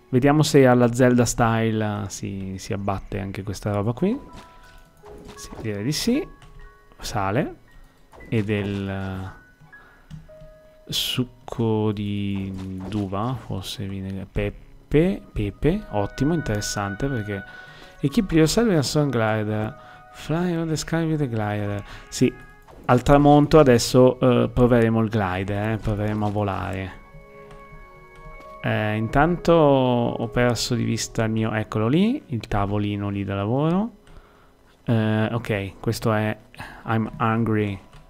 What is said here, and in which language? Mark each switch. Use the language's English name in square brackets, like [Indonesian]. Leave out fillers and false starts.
[Italian] Vediamo se alla Zelda style si abbatte anche questa roba qui. Sì, direi di sì. Sale. E del succo di d'uva, forse vinegar. Pepe, ottimo, interessante perché... [English] Equip yourself a sun glider. Fly on the sky with the glider. [Italian] Sì. Al tramonto adesso proveremo il glider, proveremo a volare. Intanto ho perso di vista il mio, eccolo lì, il tavolino lì da lavoro. Ok, questo è I'm Hungry.